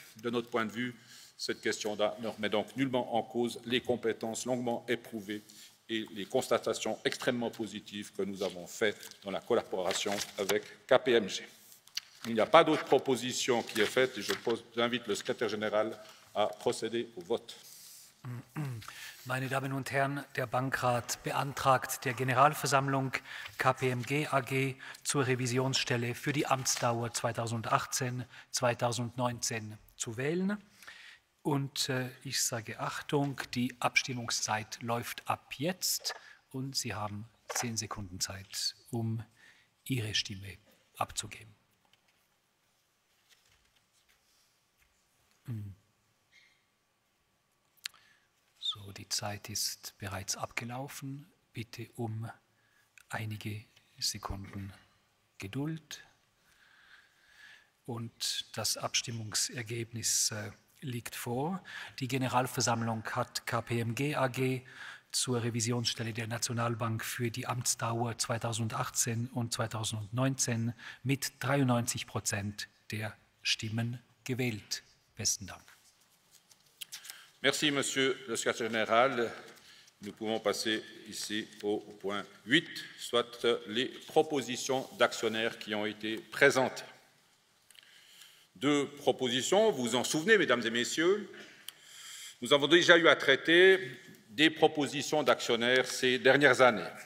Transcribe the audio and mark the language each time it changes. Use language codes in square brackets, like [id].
[fr] De notre point de vue, cette question-là ne remet donc nullement en cause les compétences longuement éprouvées et les constatations extrêmement positives que nous avons faites dans la collaboration avec KPMG. Il n'y a pas d'autre proposition qui est faite et j'invite le secrétaire général à procéder au vote. [de] Meine Damen und Herren, der Bankrat beantragt der Generalversammlung KPMG AG zur Revisionsstelle für die Amtsdauer 2018-2019 zu wählen. Und ich sage Achtung, die Abstimmungszeit läuft ab jetzt und Sie haben 10 Sekunden Zeit, um Ihre Stimme abzugeben. So, die Zeit ist bereits abgelaufen. Bitte um einige Sekunden Geduld. Und das Abstimmungsergebnis liegt vor. Die Generalversammlung hat KPMG AG zur Revisionsstelle der Nationalbank für die Amtsdauer 2018 und 2019 mit 93% der Stimmen gewählt. Besten Dank. [fr] Merci, Monsieur le Secrétaire général. Nous pouvons passer ici au point 8, soit les propositions d'actionnaires qui ont été présentées. Deux propositions, vous vous en souvenez, mesdames et messieurs, nous avons déjà eu à traiter des propositions d'actionnaires ces dernières années.